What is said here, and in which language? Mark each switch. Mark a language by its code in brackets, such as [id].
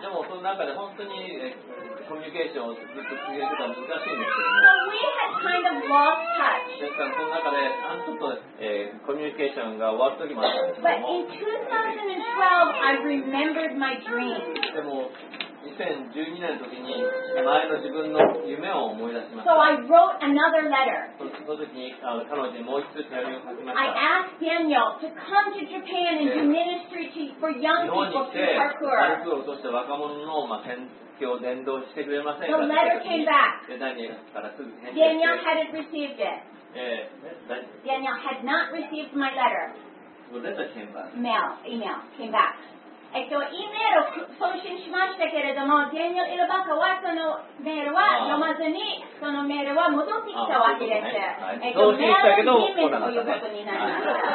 [ja] でもその中で本当にコミュニケーションをずっと続けることは難しいんですけども。 [en] So we had kind of lost touch. [ja] ですからその中でちょっと、コミュニケーションが終わった時もあったんですけども。 [en] But in 2012, I remembered my dream. [ja] でも2012年の時に前の自分の夢を思い出しました。 [en] So I wrote another letter. [ja] その時に彼女にもう一つ手紙を書きました。 [en] I asked Daniel to come to Japan and do ministry for young people through parkour. [ja] 日本に来てパルクールとして若者の宣教伝道してくれませんか。 [en] The letter came back. Daniel hadn't received it. Daniel had not received my letter. Email came back. [ja] E メールを送信しましたけれども、ダニエル・イラバカはそのメールは読まずに、そのメールは戻ってきたわけです。ね、送信したけど、メールにメールということになりました。